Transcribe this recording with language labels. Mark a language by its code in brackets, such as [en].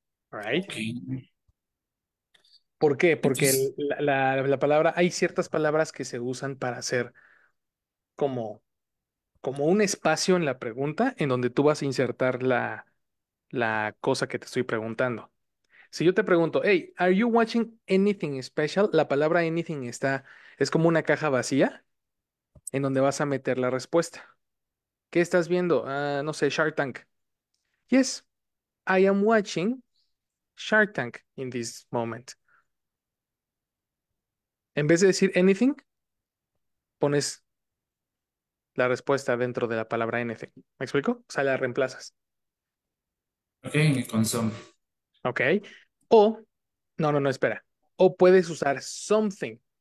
[es] Right. Okay. ¿Por qué? Porque Entonces, la palabra, hay ciertas palabras que se usan para hacer como un espacio en la pregunta en donde tú vas a insertar la cosa que te estoy preguntando. Si yo te pregunto, [en] hey, are you watching anything special? [es] La palabra anything es como una caja vacía en donde vas a meter la respuesta. ¿Qué estás viendo? No sé, Shark Tank. [en] Yes, I am watching Shark Tank in this moment. [es] En vez de decir anything, pones la respuesta dentro de la palabra anything. ¿Me explico? O sea, la reemplazas. okay, con some. Ok. O, no, no, no, espera. O puedes usar something.